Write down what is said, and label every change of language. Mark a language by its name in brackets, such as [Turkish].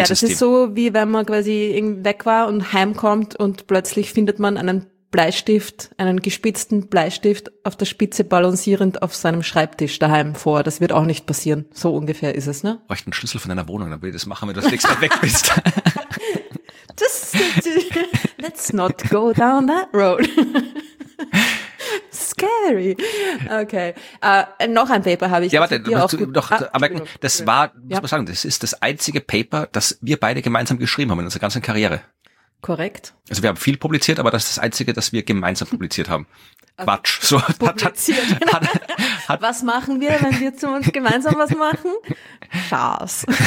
[German] Ja, das ist so, wie wenn man quasi weg war und heimkommt und plötzlich findet man einen Bleistift, einen gespitzten Bleistift auf der Spitze balancierend auf seinem Schreibtisch daheim vor. Das wird auch nicht passieren. So ungefähr ist es, ne? Reicht ein Schlüssel von deiner Wohnung, dann will ich das machen, wenn du das nächste Mal weg bist. Das, [English] let's not go down that road. [German] Scary. Okay. Noch ein Paper habe ich. Ja, warte, noch anmerken, das war, muss man sagen, das ist das einzige Paper, das wir beide gemeinsam geschrieben haben in unserer ganzen Karriere. Korrekt. Also wir haben viel publiziert, aber das ist das einzige, das wir gemeinsam publiziert haben. Okay. Quatsch. So, publiziert. Hat, was machen wir, wenn wir zu uns gemeinsam was machen? Schaß.